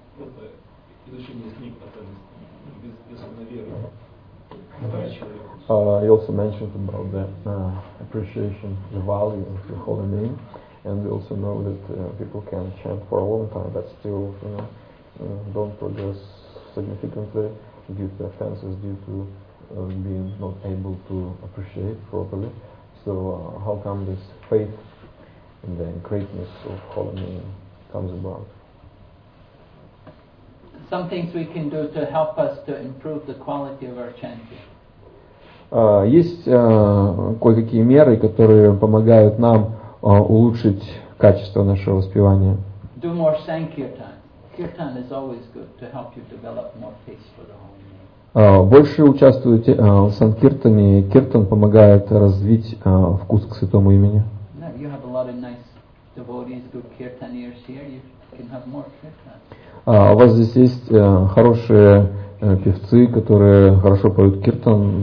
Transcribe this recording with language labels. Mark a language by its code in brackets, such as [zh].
[ru] Это изучение книг, без веры. [en] He also mentioned about the appreciation, the value of the holy name, and we also know that people can chant for a long time, but still, you know, don't progress significantly due to offenses, due to being not able to appreciate properly. So, how come this faith in the greatness of holy name comes about? Some things we can do to help us to improve the quality of our chanting. [ru] Есть кое-какие меры, которые помогают нам улучшить качество нашего воспевания. [en] Do more sankirtan. Kirtan is always good to help you develop more taste for the holy name. [ru] Больше участвуйте в санкиртане. Киртан помогает развить вкус к святому имени. [en] Now you have a lot of nice devotees, good kirtaniers here. You can have more kirtan. [ru] У вас здесь есть хорошие певцы, которые хорошо поют киртан.